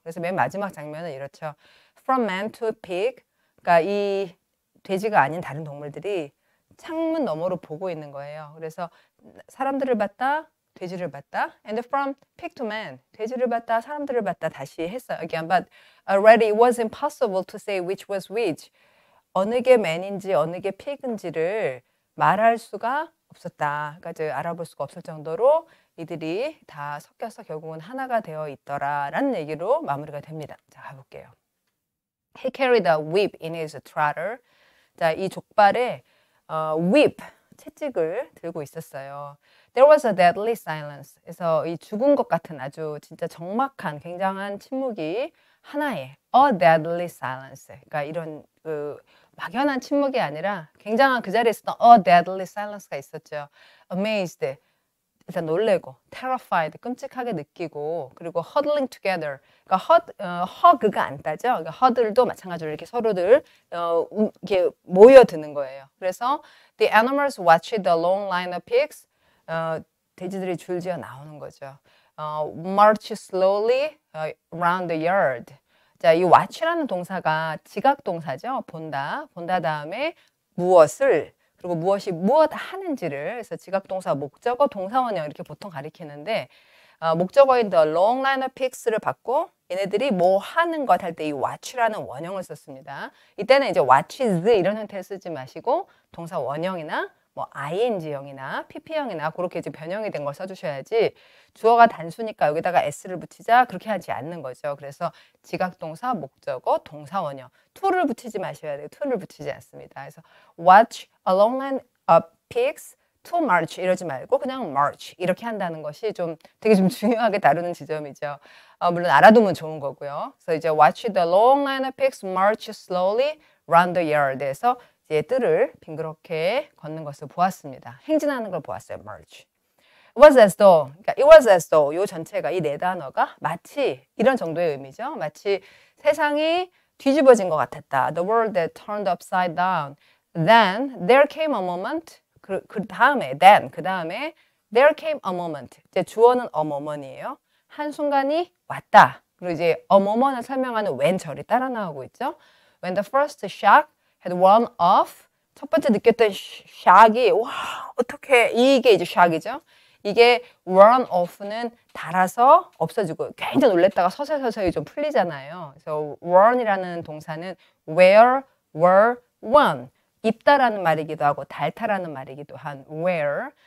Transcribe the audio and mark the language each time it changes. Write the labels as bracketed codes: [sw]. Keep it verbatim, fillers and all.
[ko] 그래서 맨 마지막 장면은 이렇죠. [en] From man to pig, [ko] 그러니까 이 돼지가 아닌 다른 동물들이 창문 너머로 보고 있는 거예요. 그래서 사람들을 봤다, 돼지를 봤다, [en] and from pig to man, [ko] 돼지를 봤다, 사람들을 봤다 다시 했어요. [en] Again, but already it was impossible to say which was which. [ko] 어느 게 man인지 어느 게 pig인지를 말할 수가 없었다. 그러니까 이제 알아볼 수가 없을 정도로 이들이 다 섞여서 결국은 하나가 되어 있더라라는 얘기로 마무리가 됩니다. 자, 가볼게요. [en] He carried a whip in his trotter. [ko] 자, 이 족발에 어, whip, 채찍을 들고 있었어요. [en] There was a deadly silence. [ko] 그래서 이 죽은 것 같은 아주 진짜 적막한 굉장한 침묵이 하나의 [en] a deadly silence. [ko] 그러니까 이런 그 막연한 침묵이 아니라 굉장한 그 자리에 있었던 [en] a deadly silence [ko] 가 있었죠. Amazed, 일단 놀래고, terrified, 끔찍하게 느끼고, 그리고 [en] huddling together. [ko] 그러니까 hug, 어, hug가 안 따죠. 그러니까 huddle도 마찬가지로 이렇게 서로들 어, 우- 이렇게 모여드는 거예요. [en] 그래서 the animals watched the long line of pigs. [ko] 어, 돼지들이 줄지어 나오는 거죠. [en] 어, march slowly 어, round the yard. [ko] 자, 이 watch라는 동사가 지각 동사죠. 본다. 본다 다음에 무엇을, 그리고 무엇이 무엇 하는지를, 그래서 지각동사, 목적어, 동사원형 이렇게 보통 가리키는데, 어, 목적어인 [en] the long line of pigs [ko] 를 받고 얘네들이 뭐 하는 것 할 때 이 watch라는 원형을 썼습니다. 이때는 이제 watches 이런 형태를 쓰지 마시고 동사 원형이나 뭐 아이엔지형이나 피피형이나 그렇게 이제 변형이 된 걸 써주셔야지, 주어가 단수니까 여기다가 s를 붙이자 그렇게 하지 않는 거죠. 그래서 지각동사, 목적어, 동사 원형 to를 붙이지 마셔야 돼요. to를 붙이지 않습니다. 그래서 [en] watch a long line of pigs to march [ko] 이러지 말고 그냥 march 이렇게 한다는 것이 좀 되게 좀 중요하게 다루는 지점이죠. 어, 물론 알아두면 좋은 거고요. 그래서 이제 [en] watch the long line of pigs march slowly round the yard [ko] 에서 이제 뜰을 빙그렇게 걷는 것을 보았습니다. 행진하는 걸 보았어요. march. [en] It was as though, [ko] 그러니까 [en] it was as though [ko] 요 전체가 이 네 단어가 마치 이런 정도의 의미죠. 마치 세상이 뒤집어진 것 같았다. [en] The world that turned upside down. Then there came a moment. [ko] 그, 그 다음에 then 그 다음에 [en] there came a moment. [ko] 이제 주어는 [en] a moment [ko] 이에요. 한 순간이 왔다. 그리고 이제 [en] a moment [ko] 을 설명하는 when 절이 따라 나오고 있죠. [en] When the first shock had worn off. [ko] 첫 번째 느꼈던 sh- shock이, 와 어떻게, 이게 이제 shock이죠. 이게 worn off는 닳아서 없어지고, 굉장히 놀랬다가 서서서서히 좀 풀리잖아요. 그래서 worn이라는 동사는 where, were, worn, 입다라는 말이기도 하고 닳다라는 말이기도 한 where.